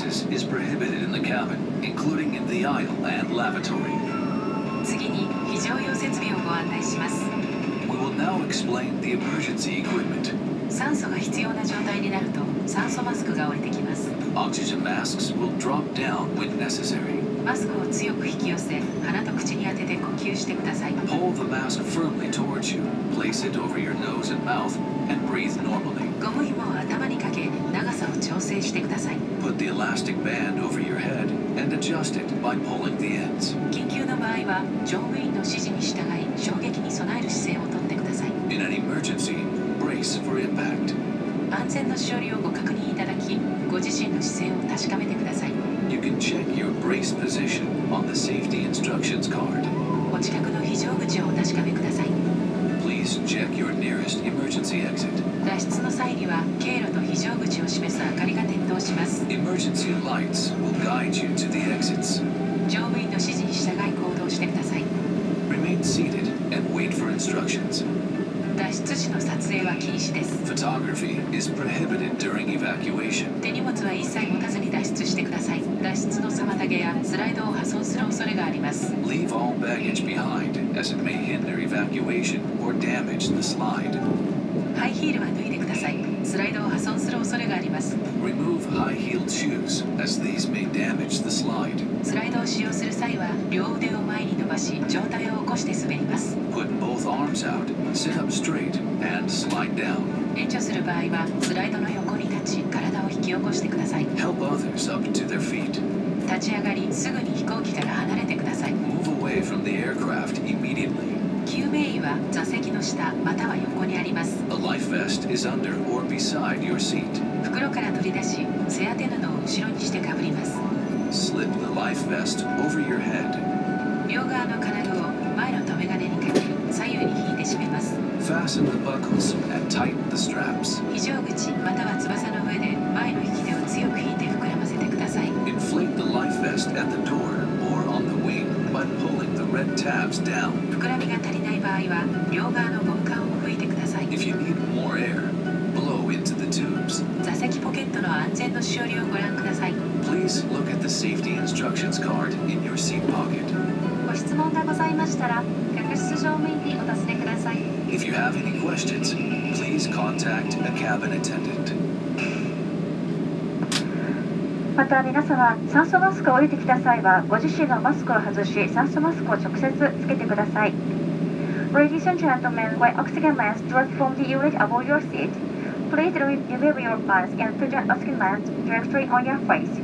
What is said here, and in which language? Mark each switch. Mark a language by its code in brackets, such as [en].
[en] Is prohibited in the cabin, including in the aisle and lavatory. [ja] 次に非常用設備をご案内します。 [en] We will now explain the emergency equipment. [ja] 酸素が必要な状態になると酸素マスクが降りてきます。 [en] Oxygen masks will drop down when necessary. [ja] マスクを強く引き寄せ、鼻と口に当てて呼吸してください。 [en] Pull the mask firmly towards you. Place it over your nose and mouth and breathe normally. [ja] ゴム紐を頭にかけ、長さを調整してください。 [en] Put the elastic band over your head and adjust it by pulling the ends. [ja] 緊急の場合は、乗務員の指示に従い、衝撃に備える姿勢をとってください。 [en] In an emergency, brace for impact. [ja] 安全のしおりをご確認いただき、ご自身の姿勢を確かめてください。 [en] You can check your brace position on the safety instructions card. [ja] お近くの非常口をお確かめください。 [en] Please check your nearest emergency exit. [ja] 脱出の際には経路と非常口を示す明かりが点灯します。 [en] Emergency lights will guide you to the exits. [ja] 乗務員の指示に従い行動してください。 [en] Remain seated and wait for instructions. [ja] 脱出時の撮影は禁止です。 [en] Photography is prohibited during evacuation. [ja] 手荷物は一切持たずに脱出してください。脱出の妨げやスライドを破損する恐れがあります。 [en] Leave all baggage behind, as it may hinder evacuation or damage the slide. [ja] ハイヒールは脱いでください。スライドを破損する恐れがあります。 [en] Remove high-heeled shoes, as these may damage the slide. [ja] スライドを使用する際は、両腕を前に伸ばし、上体を起こして滑ります。 [en] Put both arms out, sit up straight, and slide down. [ja] 援助する場合は、スライドの横に立ち、体を引き起こしてください。 [en] Help others up to their feet. [ja] 立ち上がり、すぐに飛行機から離れてください。 [en] Move away from the aircraft immediately. [ja] 救命衣は座席の下または横にあります。 [en] A life vest is under or beside your seat. [ja] 袋から取り出し、背当て布を後ろにしてかぶります。 [en] Slip the life vest over your head. [ja] 両側の金具を前の留め金にかけ、左右に引いて締めます。 [en] Fasten the buckles and tighten the straps. [ja] 非常口または翼の上で前の引き手を強く引いて膨らませてください。 [en] Inflate the life vest at the door or on the wing. By pulling the red tabs down. [ja] 膨らみが足りない場合は、両側のゴム管を拭いてください。 [en] If you need more air, blow into the tubes. [ja] 座席ポケットの安全のしおりをご覧ください。 [en] Please look at the safety instructions card in your seat pocket. [ja] ご質問がございましたら、客室乗務員にお尋ねください。 [en] If you have any questions, please contact a cabin attendant. [ja] また皆様、酸素マスクを降りてきた際は、ご自身のマスクを外し、酸素マスクを直接つけてください。 [en] Ladies and gentlemen, when oxygen masks drop from the unit above your seat, please remove your mask and put your oxygen mask directly on your face.